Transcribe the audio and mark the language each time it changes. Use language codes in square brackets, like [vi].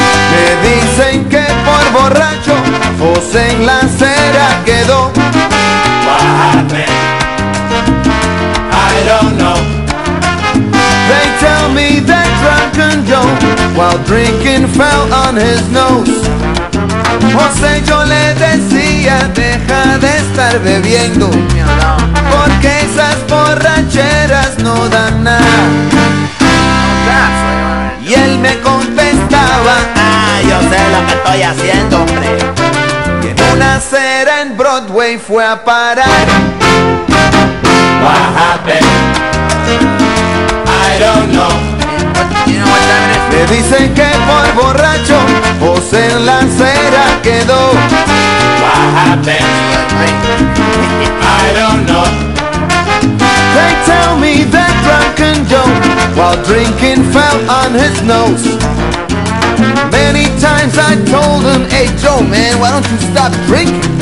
[es] Me dicen que por borracho José en la acera quedó. [en] What happened? I don't know. They tell me that drunken Joe while drinking fell on his nose. [es] José, yo le decía, deja de estar bebiendo, porque esas borracheras no dan nada. Y él me contestaba, ah, yo sé lo que estoy haciendo, hombre. Y en una acera en Broadway fue a parar. [en] What happened? I don't know. [es] Le dicen que por borracho José en la acera quedó. [en] What happened? I don't know. They tell me that drunken Joe while drinking fell on his nose. Many times I told him, hey Joe man, why don't you stop drinking?